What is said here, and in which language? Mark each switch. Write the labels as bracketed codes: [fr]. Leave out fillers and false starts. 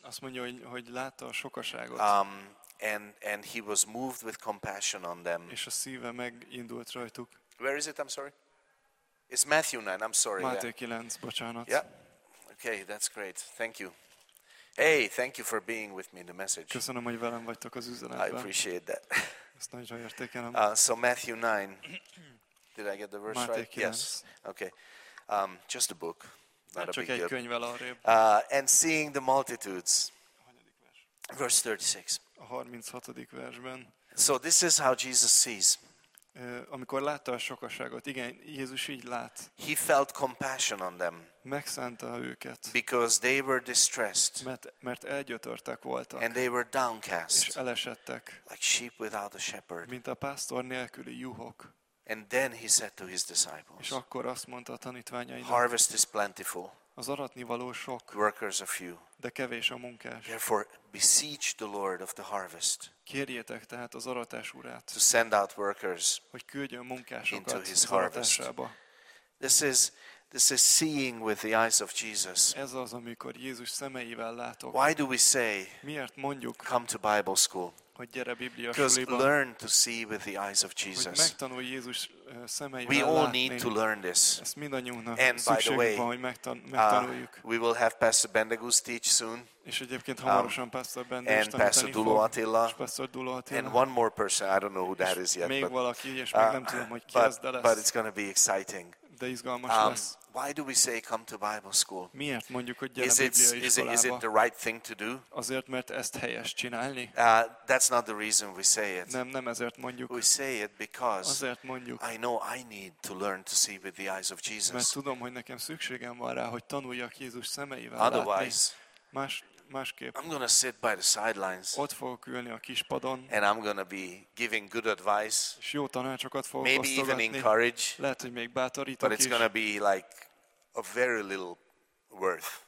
[hu] Azt mondja, hogy látta a sokaságot. [en] And he was moved with compassion on them. [hu] És a szíve megindult rajtuk. [en] Where is it? I'm sorry. It's Matthew 9. I'm sorry. [hu] Máté 9, bocsánat. [en] Yeah. Okay, that's great. Thank you. Hey, thank you for being with me in the message. [hu] Köszönöm, hogy velem vagytok az üzenetben. [en] I appreciate that. [hu] Ezt nagyon értékelem. [en] So Matthew 9. Did I get the verse Matthew right? 9. Yes. Okay. Just a book. [hu] Not hát csak a egy könyvvel arrébb. [en] And seeing the multitudes. Verse 36. [hu] A 36. versben. [en] So this is how Jesus sees. [hu] Amikor látta a sokaságot, igen, Jézus így lát. [en] He felt compassion on them. [hu] Megszánta őket. [en] Because they were distressed. [hu] Mert elgyötörtek voltak. [en] And they were downcast. [hu] És elesettek. [en] Like sheep without a shepherd. [hu] Mint a pásztor nélküli juhok. [en] And then he said to his disciples. [hu] És akkor azt mondta a tanítványainak. [en] Harvest is plentiful. [hu] Az aratnivaló sok. [en] Workers are few. [hu] De kevés a munkás. [en] Therefore, beseech the Lord of the harvest. [hu] Kérjétek tehát az aratás urát. [en] To send out workers. [hu] Hogy küldjön munkásokat az aratásába. [en] This is seeing with the eyes of Jesus. [hu] Ez az, amikor Jézus szemeivel látok. [en] Why do we say? [hu] Miért mondjuk? [en] Come to Bible school. [hu] Hogy gyere Biblia suliba. [en] Because learn to see with the eyes of Jesus. [hu] Hogy megtanulj Jézus szemeivel [en] we all [hu] látni. [en] Need to learn this. [hu] Ezt mindannyiunknak szükségünk van, hogy megtanuljuk. [en] We will have Pastor Bendegúz teach soon. [hu] És egyébként hamarosan Pastor Bendegúz [en] and Pastor Dulo Attila. And one more person, I don't know who that is yet. [hu] Még [en] but, [hu] valaki, és még nem tudom, hogy ki az, de lesz. [en] But it's going to be exciting. [hu] De izgalmas lesz. [en] Why do we say come to Bible school? [hu] Miért mondjuk, hogy gyere Biblia iskolába? [en] Is it the right thing to do? [hu] Azért, mert ezt helyes csinálni. [en] That's not the reason we say it. [hu] Nem ezért mondjuk. [en] We say it because [hu] azért mondjuk. [en] I know I need to learn to see with the eyes of Jesus. [hu] Mert tudom, hogy nekem szükségem van rá, hogy tanuljak Jézus szemeivel látni. [en] Otherwise, [hu] másképp. [en] I'm gonna sit by the sidelines. [hu] Ott fogok ülni a kis padon. [en] And I'm gonna be giving good advice. [hu] És jó tanácsokat fogok [en] maybe [hu] osztogatni. [en] Maybe even encourage. [hu] Lehet, hogy még bátorítok [en] but it's [hu] is. [en] Gonna be like a very little worth.